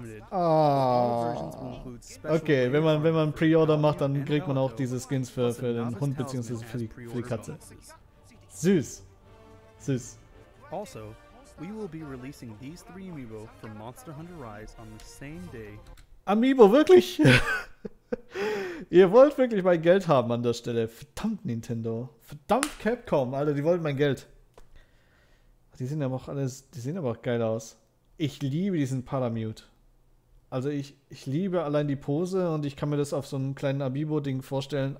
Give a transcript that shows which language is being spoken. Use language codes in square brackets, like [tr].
[de] Ah, okay, wenn man Pre-Order macht, dann kriegt man auch diese Skins für den Hund bzw. für die Katze. Süß. [en] Also, we will be releasing these three Amiibo from Monster Hunter Rise on the same day. [de] Amiibo, wirklich? Ihr wollt wirklich mein Geld haben an der Stelle. Verdammt Nintendo. Verdammt Capcom, Alter, die wollen mein Geld. Die sehen aber auch geil aus. Ich liebe diesen Palamute. Also ich liebe allein die Pose und ich kann mir das auf so einem kleinen Amiibo-Ding vorstellen.